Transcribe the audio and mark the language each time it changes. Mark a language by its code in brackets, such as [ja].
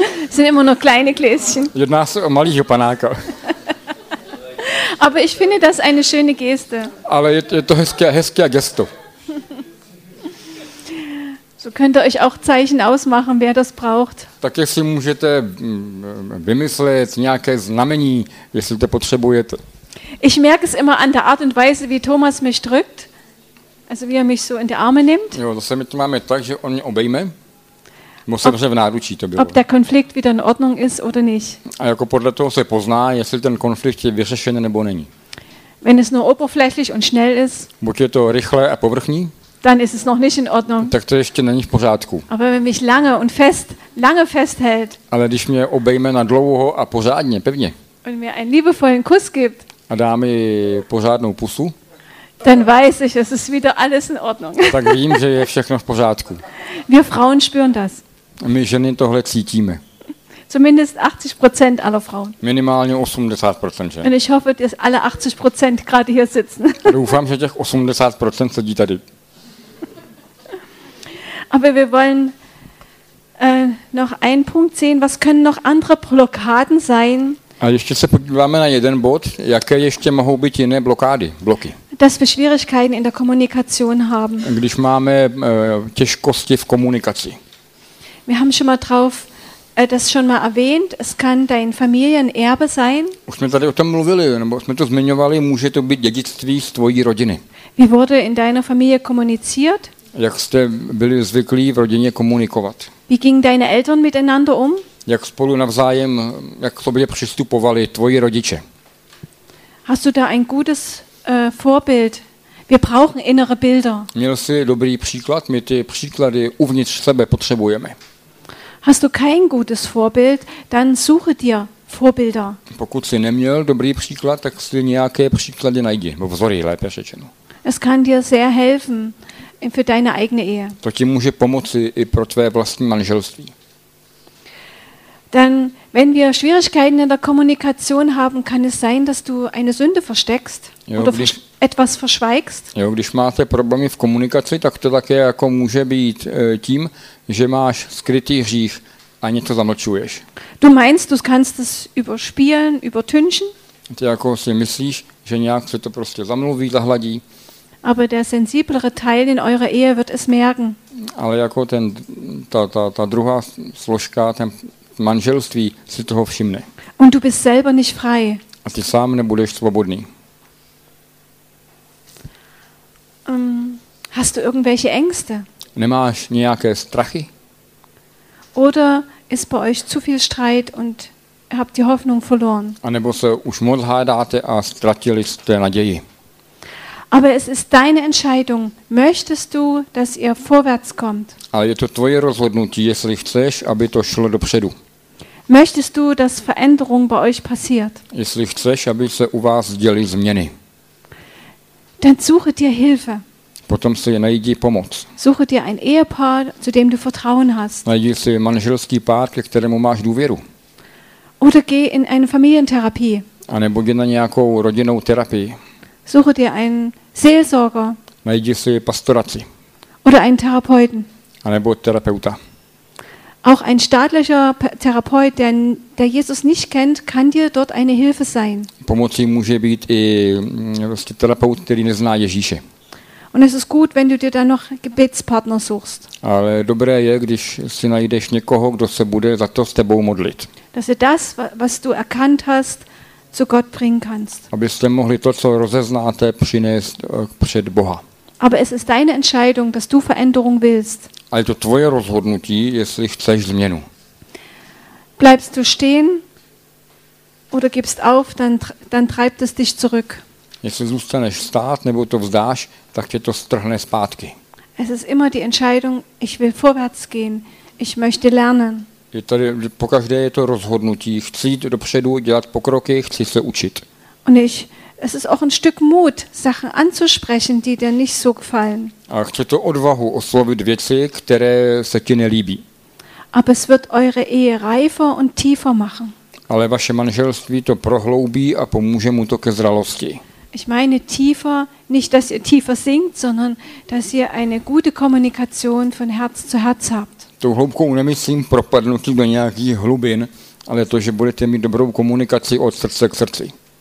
[de] Sind immer noch kleine Gläschen. [cs] Jedná se o malýho panáka. [de] Aber ich finde das eine schöne Geste. [cs] Ale je to hezké gesto. [de] So könnt ihr euch auch Zeichen ausmachen, wer das braucht. [cs] Tak jestli můžete vymyslet nějaké znamení, jestli to potřebujete. [de] Ich merke es immer an der Art und Weise, wie Thomas mich drückt. Also wie er mich so in die Arme nimmt. [cs] Jo, zase my to máme tak, že on mě obejme. Musím, že v náručí to bylo. [de] Ob der Konflikt wieder in Ordnung ist oder nicht. [cs] A jako podle toho se pozná, jestli ten konflikt je vyřešen nebo není. [de] Wenn es nur oberflächlich und schnell ist. [cs] Buď je to rychle a povrchní. [de] Dann ist es noch nicht in Ordnung. [cs] Tak to ještě není v pořádku. [de] Aber wenn mich lange und fest, lange festhält. [cs] Ale když mě obejme na dlouho a pořádně, pevně. [de] Und mir einen liebevollen Kuss gibt. [cs] A dá mi pořádnou pusu. [de] Dann weiß ich, es ist wieder alles in Ordnung. [cs] Tak vím, že je všechno v pořádku. [de] Wir Frauen spüren das. [cs] My ženy tohle cítíme. [de] Zumindest 80% aller Frauen. [cs] Minimálně 80% žen. [de] Und ich hoffe, dass alle 80% gerade hier sitzen. [cs] Doufám, že těch 80% sedí tady. [de] Aber wir wollen noch einen Punkt sehen, was können noch andere Blockaden sein? [cs] A ještě se podíváme na jeden bod, jaké ještě mohou být jiné blokády, bloky. [de] Dass wir Schwierigkeiten in der Kommunikation haben. [cs] Když máme těžkosti v komunikaci. [de] Wir haben schon mal drauf das schon mal erwähnt, es kann dein Familienerbe sein. [cs] Už jsme tady o tom mluvili, nebo jsme to zmiňovali, může to být dědictví z tvojí rodiny. [de] Wie wurde in deiner Familie kommuniziert? [cs] Jak jste byli zvyklí v rodině komunikovat? [de] Wie gingen deine Eltern miteinander um? [cs] Jak spolu navzájem, jak k sobě přistupovali tvoji rodiče? [de] Hast du da ein gutes Vorbild? Wir brauchen innere Bilder. [cs] Měl jsi dobrý příklad, my ty příklady uvnitř sebe potřebujeme. [de] Hast du kein gutes Vorbild, dann suche dir Vorbilder. [cs] Pokud jsi neměl dobrý příklad, tak si nějaké příklady najdi, vzory, lépe řečeno. [de] Es kann dir sehr helfen für deine eigene Ehe. [cs] To ti může pomoci i pro tvé vlastní manželství. [de] Dann, wenn wir Schwierigkeiten in der Kommunikation haben, kann es sein, dass du eine Sünde versteckst oder etwas verschweigst. [cs] Jo, když máte problémy v komunikaci, tak to také jako může být tím, že máš skrytý hřích a něco zamlčuješ. [de] Du meinst, du kannst es überspielen, übertünchen? [cs] Ty jako si myslíš, že nějak se to prostě zamluví, zahladí. [de] Aber der sensiblere Teil in eurer Ehe wird es merken. [cs] Ale jako ten, ta druhá složka, ten manželství si toho všimne. [de] Und du bist selber nicht frei. [cs] A ty sám nebudeš svobodný. [de] Hast du irgendwelche Ängste? [cs] Nemáš nějaké strachy? [de] Oder ist bei euch zu viel Streit und habt die Hoffnung verloren? [cs] A nebo se už moc hádáte a ztratili jste naději. [de] Aber es ist deine Entscheidung. Möchtest du, dass ihr vorwärts kommt? [cs] Ale je to tvoje rozhodnutí, jestli chceš, aby to šlo dopředu. [de] Möchtest du, dass Veränderung bei euch passiert? [cs] Jestli chceš, aby se u vás děly změny. [de] Dann suche dir Hilfe. [cs] Potom si najdi pomoc. [de] Suche dir ein Ehepaar, zu dem du Vertrauen hast. [cs] Najdi si manželský pár, ke kterému máš důvěru. [de] Oder geh in eine Familientherapie. [cs] A nebo jdi na nějakou rodinnou terapii. [de] Suche dir einen Seelsorger. [cs] Najdi si pastoraci. [de] Oder einen Therapeuten. [cs] A nebo terapeuta. [de] Auch ein staatlicher Therapeut, der Jesus nicht kennt, kann dir dort eine Hilfe sein. [cs] Pomocí může být i vlastně terapeut, který nezná Ježíše. [de] Und es ist gut, wenn du dir dann noch Gebetspartner suchst. [cs] Ale dobré je, když si najdeš někoho, kdo se bude za to s tebou modlit. [de] Dass du das, was du erkannt hast, zu Gott bringen kannst. [cs] Abyste mohli to, co rozeznáte, přinést před Boha. [de] Aber es ist deine Entscheidung, dass du Veränderung willst. [cs] Ale to tvoje rozhodnutí, jestli chceš změnu. [de] Bleibst du stehen oder gibst auf, dann treibt es dich zurück. [cs] Jestli zůstaneš stát nebo to vzdáš, tak tě to strhne zpátky. [de] Es ist immer die Entscheidung, ich will vorwärts gehen, ich möchte lernen. [cs] Je tady, pokaždé je to rozhodnutí, chci jít dopředu, dělat pokroky, chci se učit. [de] Und ich, es ist auch ein Stück Mut, Sachen anzusprechen, die dir nicht so gefallen. [cs] A chce to odvahu oslovit věci, které se ti nelíbí. [de] Aber es wird eure Ehe reifer und tiefer machen. [cs] Ale vaše manželství to prohloubí a pomůže mu to ke zralosti. [de] Ich meine tiefer, nicht dass ihr tiefer sinkt, sondern dass ihr eine gute Kommunikation von Herz zu Herz habt. [cs] Tou hloubkou nemyslím propadnutí do nějakých hlubin, ale to, že budete mít dobrou komunikaci od srdce k srdci.